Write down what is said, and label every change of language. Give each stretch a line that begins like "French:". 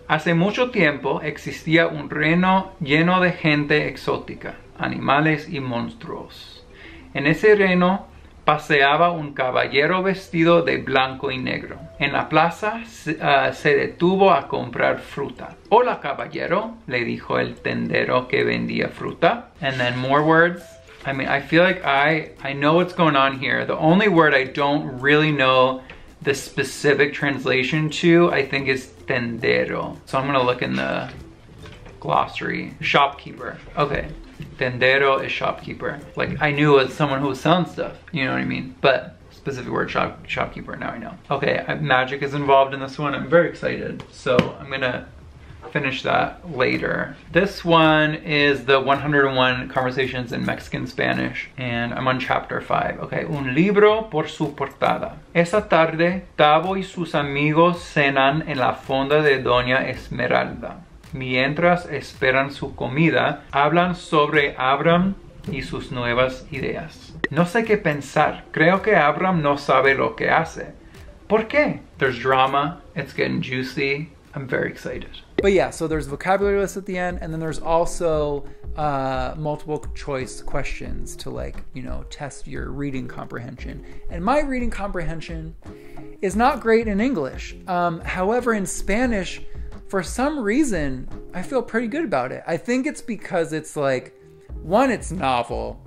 Spanish: Hace mucho tiempo existía un reino lleno de gente exótica, animales y monstruos. En ese reino paseaba un caballero vestido de blanco y negro. En la plaza se detuvo a comprar fruta. Hola caballero, le dijo el tendero que vendía fruta.
English: And then more words. I mean, I feel like I know what's going on here. The only word I don't really know the specific translation to, I think, is tendero. So I'm gonna look in the glossary. Shopkeeper. Okay. Tendero is shopkeeper. Like, I knew it was someone who was selling stuff. You know what I mean? But specific word, shopkeeper, now I know. Okay, magic is involved in this one. I'm very excited. So I'm gonna finish that later. This one is the 101 Conversations in Mexican Spanish, and I'm on chapter 5. Okay.
Spanish: Un libro por su portada. Esa tarde, Tavo y sus amigos cenan en la fonda de Doña Esmeralda. Mientras esperan su comida, hablan sobre Abraham y sus nuevas ideas. No sé qué pensar. Creo que Abraham no sabe lo que hace. ¿Por qué?
English: There's drama. It's getting juicy. I'm very excited. But yeah, so there's vocabulary lists at the end, and then there's also multiple choice questions to, like, you know, test your reading comprehension. And my reading comprehension is not great in English. However, in Spanish, for some reason, I feel pretty good about it. I think it's because it's like, one, it's novel.